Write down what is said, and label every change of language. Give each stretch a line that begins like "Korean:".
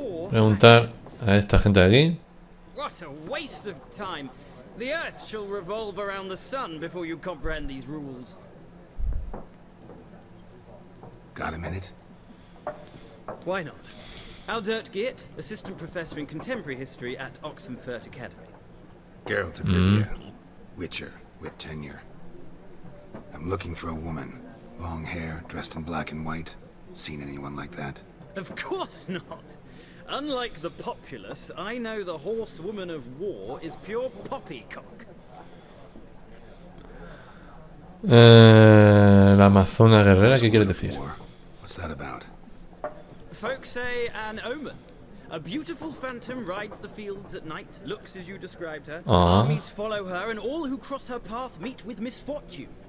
Spanish: Preguntar a esta gente de aquí.
English: What a waste of time. The earth shall revolve around the sun before you comprehend these rules. Got a minute? Why not? Aldert Geert, assistant professor in contemporary history at Oxenfurt Academy. Geralt of Rivia, Witcher with tenure. I'm looking for a woman. Long hair, dressed in black and white. Seen anyone like that? Of course not. Unlike the populace, I know the horsewoman of war is pure poppycock.
Spanish: La Amazona guerrera, ¿qué quiere decir?
English: What's that about? Folks say an omen. A beautiful phantom rides the fields at night, looks as you described her. Armies follow her, and all who cross her path meet with misfortune.